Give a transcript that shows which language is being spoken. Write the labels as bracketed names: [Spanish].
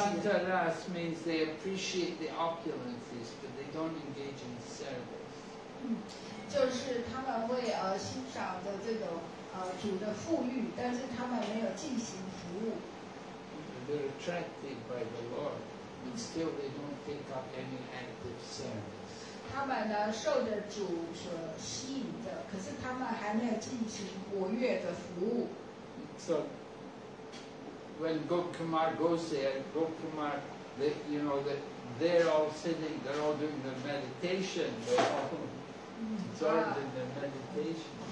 [English] Santara means they appreciate the opulences, but they don't engage in service. [Chinese] 就是他们会欣赏的这种。主的富裕，但是他们没有进行服务。 [English] They're attracted by the Lord, but still they don't take up any active service. [Chinese] 他们呢受着主所吸引的，可是他们还没有进行活跃的服务。 [English] So, when Gopkumar goes there, Gopkumar, they, you know, that they're all sitting, they're all doing their meditation, they're all absorbed in their meditation.